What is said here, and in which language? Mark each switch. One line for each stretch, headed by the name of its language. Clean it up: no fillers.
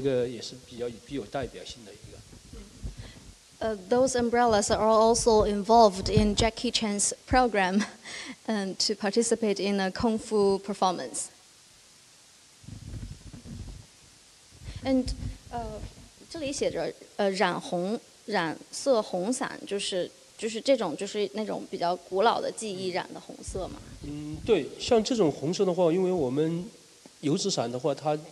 Chinese: 这个是成龙先生，他当时那个在19年的时候，我们一个亚洲闻名大会，当时他们有上千个就是功夫小孩嘛，他们专门就是我们专门给他们定做了一批油纸，红色的油纸伞。这批油纸伞，因为它是他们从小这些小孩是学功夫的，然后他们相当于他用的伞和我们平时的不一样。我们专门定做，专门去选材料，因为他要比我们通常的还要经久耐用，因为他们要像武术一样去挥来挥去的，所以说专门定制了一批，这个也是比较有代表性的一个。
English: Those umbrellas are also involved in Jackie Chan's program and to participate in a kung fu performance.
Chinese: And 这里写着染红伞，就是那种比较古老的技艺染的红色嘛。对，像这种红色的话，因为我们油纸伞的话，它